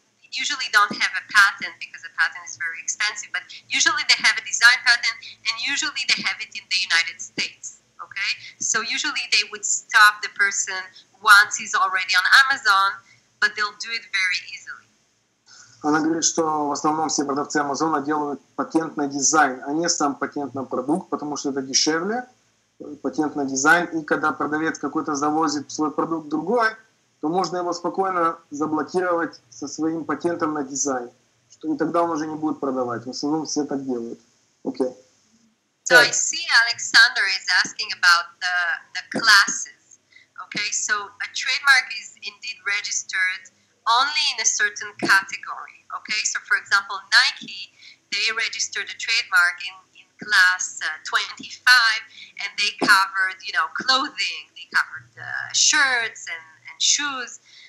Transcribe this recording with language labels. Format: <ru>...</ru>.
<en>They usually don't have a patent because a patent is very expensive, but usually they have a design patent and usually they have it in the United States. Okay, so usually they would stop the person once he's already on Amazon, but they'll do it very easily.</en> <ru>Она говорит, что в основном все продавцы Amazon делают патент на дизайн, а не сам патент на продукт, потому что это дешевле, патент на дизайн, и когда продавец какой-то завозит свой продукт другой, то можно его спокойно заблокировать со своим патентом на дизайн, что и тогда он уже не будет продавать, в основном все так делают.</ru> <en>Okay. So I see Alexander is asking about the classes, okay? So a trademark is indeed registered only in a certain category, okay? So for example, Nike, they registered a trademark in class 25, and they covered, you know, clothing, they covered shirts and shoes.</en>